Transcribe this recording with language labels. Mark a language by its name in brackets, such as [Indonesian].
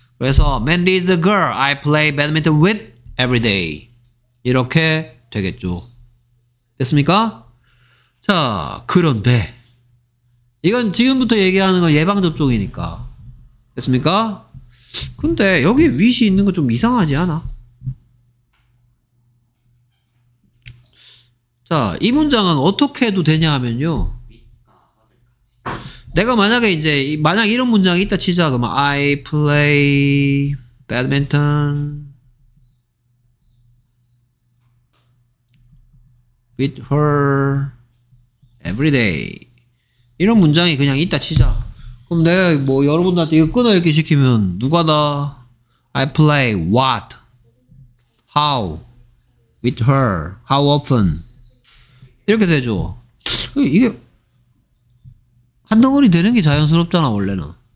[Korean] 그래서 [English] Mandy is the girl I play badminton with every day. [Korean] 이렇게 되겠죠. 됐습니까? 자, 그런데 이건 지금부터 얘기하는 건 예방접종이니까. 됐습니까? 근데 여기 윗이 있는 거 좀 이상하지 않아? 자, 이 문장은 어떻게 해도 되냐 하면요, 내가 만약에 이제 만약 이런 문장이 있다 치자. 그러면 [English] I play badminton with her every day. [Korean] 이런 문장이 그냥 있다 치자. 그럼 내가 뭐 여러분들한테 이거 끊어 읽기 시키면 누가 나 [English] I play what, how, with her, how often [Korean] 이렇게 되죠. 이게 한 덩어리 되는 게 자연스럽잖아 원래는.